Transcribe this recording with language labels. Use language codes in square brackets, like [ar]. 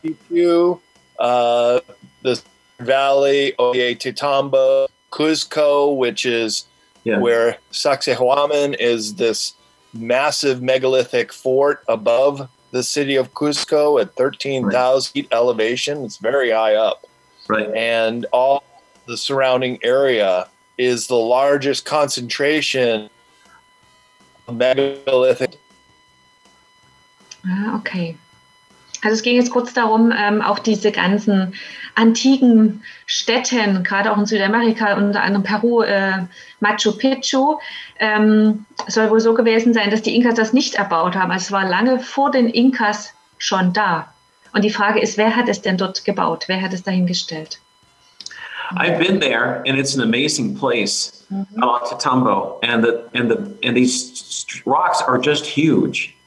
[en] Machu Picchu, the Valley, Ollantaytambo, Cuzco, which is where Sacsayhuaman is, this massive megalithic fort above the city of Cuzco at 13,000 feet elevation. It's very high up. Right. And all the surrounding area is the largest concentration of megalithic. Okay. [de] Also es ging jetzt kurz darum, auch diese ganzen antiken Städten, gerade auch in Südamerika, unter anderem Peru, Machu Picchu, soll wohl so gewesen sein, dass die Inkas das nicht erbaut haben. Es war lange vor den Inkas schon da. Und die Frage ist, wer hat es denn dort gebaut? Wer hat es dahingestellt? [en] I've been there and it's an amazing place, Ollantaytambo, and these rocks are just huge.